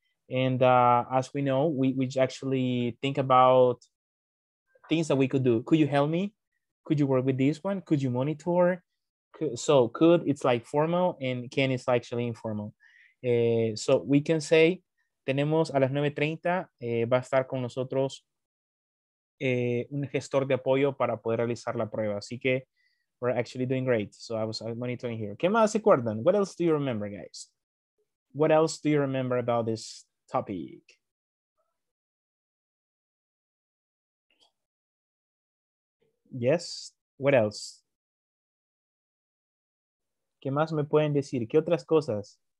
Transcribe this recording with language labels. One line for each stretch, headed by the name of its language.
English: And as we know, we actually think about things that we could do. Could you help me? Could you work with this one? Could you monitor? Could it's like formal and can it's actually informal. So we can say,
Spanish: tenemos a las 9:30, va a estar con nosotros un gestor de apoyo para poder realizar la prueba. Así que
English: we're actually doing great. So I was monitoring here.
Spanish: ¿Qué más se acuerdan?
English: What else do you remember, guys? What else do you remember about this topic? Yes, what else?
Spanish: ¿Qué más me pueden decir? ¿Qué otras cosas?